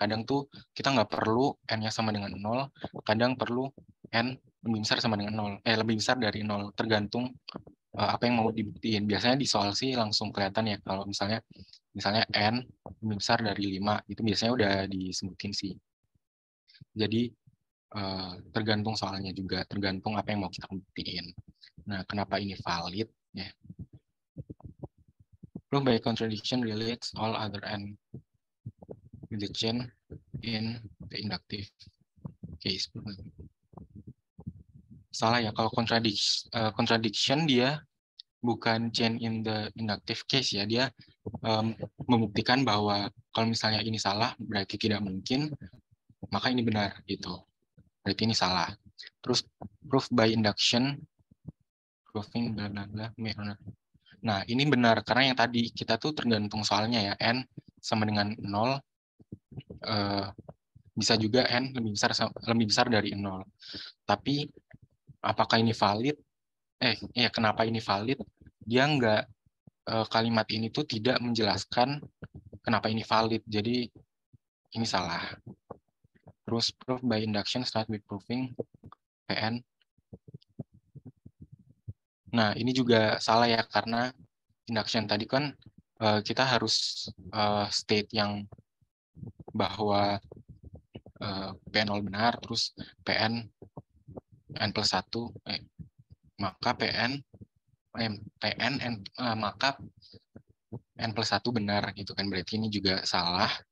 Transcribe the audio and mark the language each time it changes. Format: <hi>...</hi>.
<id>Kadang tuh kita nggak perlu n-nya sama dengan 0, kadang perlu n lebih besar sama dengan 0, lebih besar dari 0, tergantung apa yang mau dibuktiin. Biasanya di soal sih langsung kelihatan ya, kalau misalnya misalnya n lebih besar dari 5, itu biasanya udah disebutin sih. Jadi tergantung soalnya juga, tergantung apa yang mau kita buktiin. Nah, kenapa ini valid? Ya.</id> <en>Proof by contradiction relates all other n with the chain in the inductive case.</en> <id>Salah ya, kalau contradiction dia bukan</id> <en>chain in the inductive case</en> <id>ya, dia membuktikan bahwa kalau misalnya ini salah berarti tidak mungkin, maka ini benar gitu, berarti ini salah. Terus</id> <en>proof by induction proving</en> <id>bla bla bla, nah ini benar karena yang tadi kita tuh tergantung soalnya ya, n sama dengan 0, bisa juga n lebih besar dari 0, tapi apakah ini valid? Kenapa ini valid? Dia nggak, kalimat ini tuh tidak menjelaskan kenapa ini valid. Jadi ini salah. Terus</id> <en>proof by induction start with proving Pn.</en> <id>Nah, ini juga salah ya, karena induction tadi kan kita harus state yang bahwa Pn0 benar, terus Pn n plus 1, maka Pn, Pn n, maka n plus 1 benar gitu kan, berarti ini juga salah.</id>